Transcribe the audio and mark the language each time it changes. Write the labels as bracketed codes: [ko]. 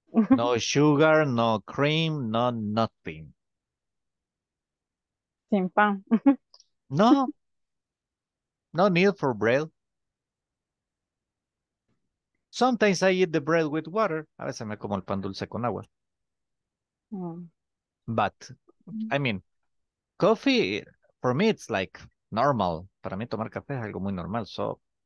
[en] No sugar, no cream, no nothing. [es] Sin pan. [en] No. No need for bread. Sometimes I eat the bread with water. [es] A veces me como el pan dulce con agua. [en] But, I mean, coffee, for me, it's like normal. [es] Para mí tomar café es algo muy normal, so...